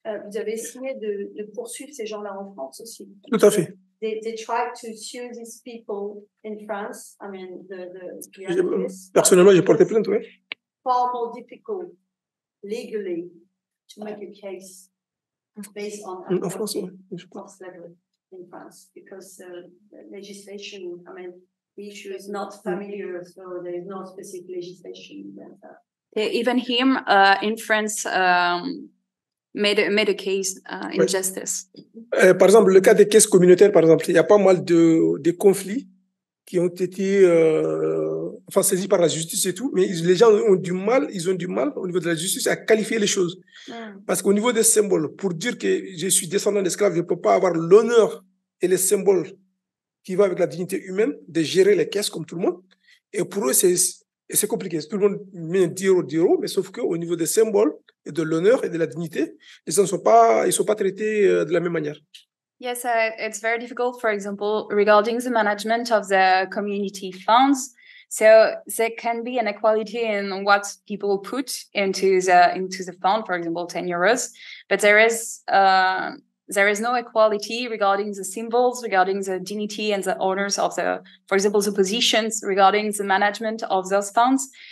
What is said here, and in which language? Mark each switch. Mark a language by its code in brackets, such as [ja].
[fr] Vous avez essayé de poursuivre ces gens-là en France aussi. Tout à fait. [en] They tried to sue these people in France. I mean, the [fr] personnellement, j'ai porté plainte, oui. [en] Far more difficult legally to make a case based on slavery in France because the legislation, I mean, the issue is not familiar, so there is no specific legislation. Even him in France made a case in justice. [fr] Par exemple, le cas des caisses communautaires, par exemple, il y a pas mal de conflits qui ont été enfin saisis par la justice et tout, mais les gens ont du mal, ils ont du mal au niveau de la justice à qualifier les choses. Mm. Parce qu'au niveau des symboles, pour dire que je suis descendant d'esclaves, je ne peux pas avoir l'honneur et les symboles qui vont avec la dignité humaine de gérer les caisses comme tout le monde. Et pour eux, c'est compliqué. Tout le monde met un 10 euros, 10 euros, mais sauf qu'au niveau des symboles et de l'honneur et de la dignité, les gens ne sont pas traités de la même manière. [en] Yes, it's very difficult, for example, regarding the management of the community funds. So there can be an equality in what people put into the fund, for example, 10 euros. But there is no equality regarding the symbols, regarding the dignity and the owners of the, for example, the positions regarding the management of those funds.